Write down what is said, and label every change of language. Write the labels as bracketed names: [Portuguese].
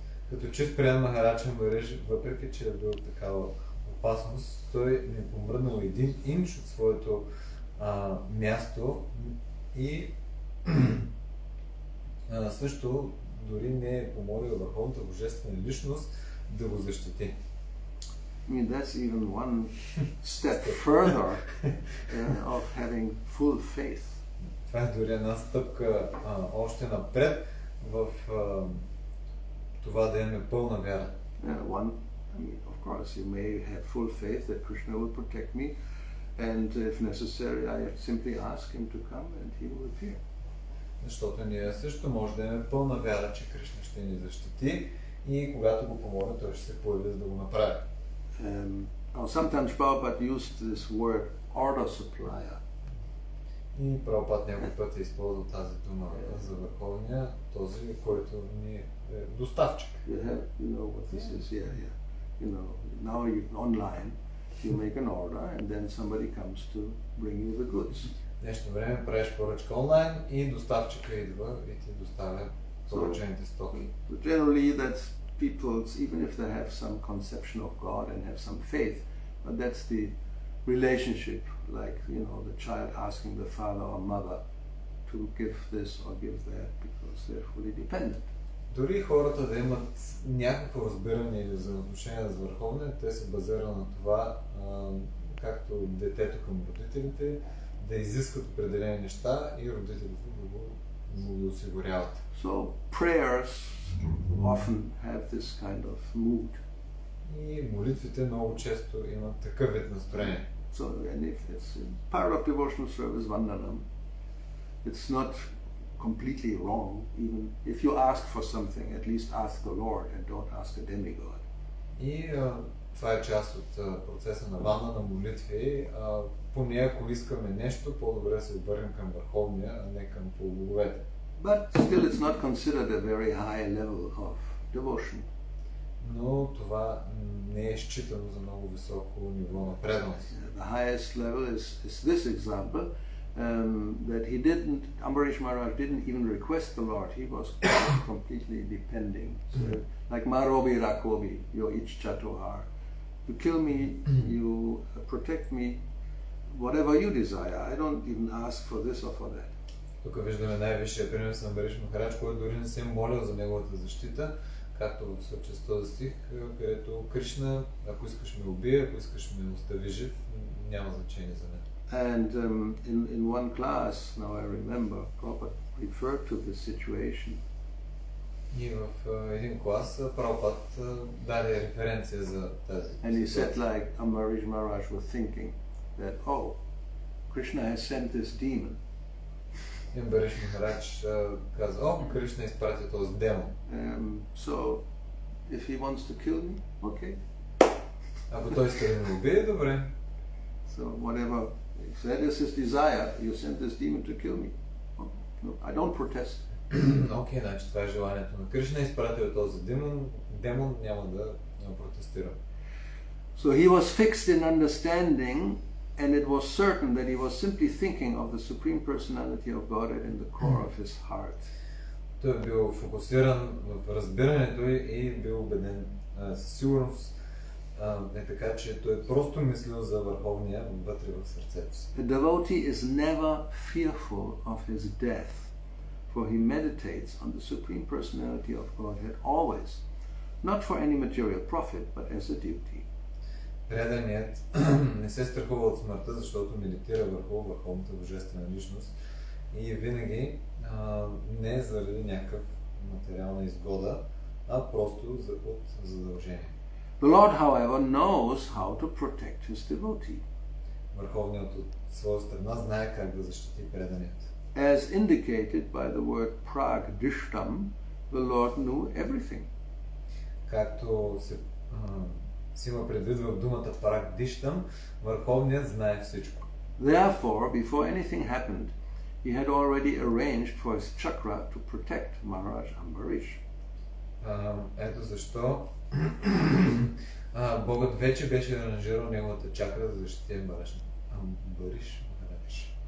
[Bulgarian] Като чист предан Махарадж Амбариш, въпреки че е бил такава опасност, той не е помръднал един инч от своето място и също дори не е помолил Върховната Божествена Личност да го защити. [English] I mean, that's even one step further of having full faith. [Bulgarian] Това е дори една стъпка още напред в това да имаме пълна вяра. [English] Of course, you may have full faith that Krishna will protect me and if necessary, I simply ask him to come and he will appear. [Bulgarian] защото ние също може да имаме пълна вяра, че Кришна ще ни защити и когато го помоля, той ще се появи, за да го направи. [English] Sometimes Prabhupada used this word order supplier. [Bulgarian] И Прабхупад някой път е използвал тази дума за върховния, този, който ни е доставчик. [English] You know, now you online, you make an order and then somebody comes to bring you the goods. [Bulgarian] Нещо време правиш поръчка онлайн и доставчика идва и ти доставя поръчените стоки. [English] So, generally that's people, even if they have some conception of God and have some faith, but that's the relationship, like, you know, the child asking the father or mother to give this or give that because they're fully dependent. [Bulgarian] Дори хората да имат някакво разбиране или взаимоотношение с върховния, те се базира на това, както детето към родителите, да изискват определени неща и родителите да го осигуряват. [English] So prayers often have this kind of mood. [Bulgarian] И молитвите много често имат такъв вид настроение. [English] So and if it's part of devotional service, vandanam, it's not completely wrong, even if you ask for something, at least ask the Lord and don't ask a demigod. [Bulgarian] И това е част от процеса на вана на молитви. Поне ако искаме нещо, по-добре се обърнем към върховния, а не към полубоговете. [English] But still it's not considered a very high level of devotion. [Bulgarian] Но това не е считано за много високо ниво на преданост. [English] The highest level is this example. That he didn't, Ambarish Maharaj didn't even request the Lord, he was completely depending. So, like [Bangla] Marobi Rakobi, Yo Ichcha Tohar, [English] you kill me, you protect me, whatever you desire, I don't even ask for this or for that. [Bulgarian] Тук виждаме най-висшия пример с Ambarish Maharaj, който дори не се молил за неговата защита, както в същия този стих, където Кришна, ако искаш ме уби, ако искаш ме остави жив, няма значение за мен. [English] And in one class, now I remember, Prabhupada referred to this situation. [Bulgarian] И в един клас Прабхупада даде референция за тази ситуация. [English] And he said like Ambarish Maharaj was thinking that, oh, Krishna has sent this demon. [Bulgarian] И Ambarish Maharaj каза, о, Кришна изпрати този демон. [English] So, if he wants to kill me, okay. [Bulgarian] Ако той иска да ме убие, добре. [English] So, whatever. So that is his desire. You sent this demon to kill me. No, I don't protest. [Bulgarian] Okay, значи това е желанието на Кришна, изпратил този демон, няма да протестирам. [English] So he was fixed in understanding, and it was certain that he was simply thinking of the Supreme Personality of God in the core of his heart. [Bulgarian] Той е бил фокусиран в разбирането и бил убеден сигурност. Е така, че той просто мислил за върховния вътре в сърцето си. [English] A devotee is never fearful of his death, for he meditates on the Supreme Personality of Godhead always, not for any material profit, but as a duty. [Bulgarian] Преданият не се страхува от смъртта, защото медитира върху върховната божествена личност и винаги не е заради някакъв материална изгода, а просто от задължение. [English] The Lord, however, knows how to protect his devotee. [Bulgarian] Върховният от своя страна знае как да защити преданият. [English] As indicated by the word прагдиштам, the Lord knew everything. [Bulgarian] Както се има предвид в думата прагдиштам, върховният знае всичко. [English] Therefore, before anything happened, he had already arranged for his chakra to protect Maharaj Ambarish. [Bulgarian] Ето защо Богът вече беше аранжирал неговата чакра за защитен Бариш Ambarish Maharaj.